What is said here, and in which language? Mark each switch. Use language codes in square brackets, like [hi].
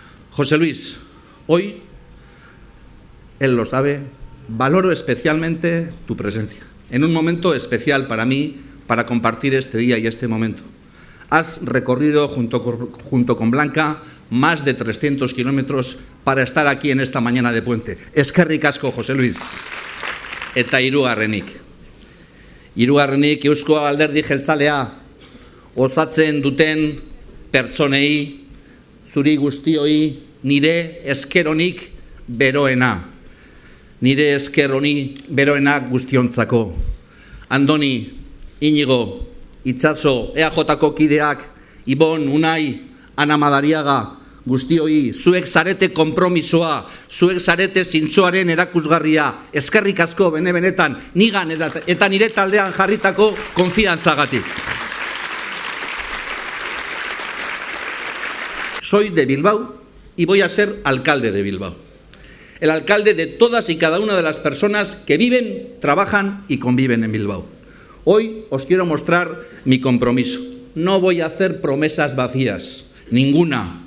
[es] José Luis, hoy, él lo sabe, valoro especialmente tu presencia, en un momento especial para mí, para compartir este día y este momento. Has recorrido junto con Blanca más de 300 kilómetros para estar aquí en esta mañana de puente. [eu] Eskerrik asko, José Luis. Eta hirugarrenik, Eusko Alderdi Jeltzalea osatzen duten pertsonei, zuri guztioi, nire eskeronik beroena. Nire esker honi beroena guztiontzako. Andoni, Iñigo, Itxaso, EAJ-ko kideak, Ibon, Unai, Ana Madariaga, guztioi, zuek zarete konpromisoa, zuek zarete zintzoaren erakusgarria, eskerrik asko bene-benetan, nigan eta nire taldean jarritako konfiantzagatik. [es] Soy de Bilbao y voy a ser alcalde de Bilbao. El alcalde de todas y cada una de las personas que viven, trabajan y conviven en Bilbao. Hoy os quiero mostrar mi compromiso. No voy a hacer promesas vacías, ninguna.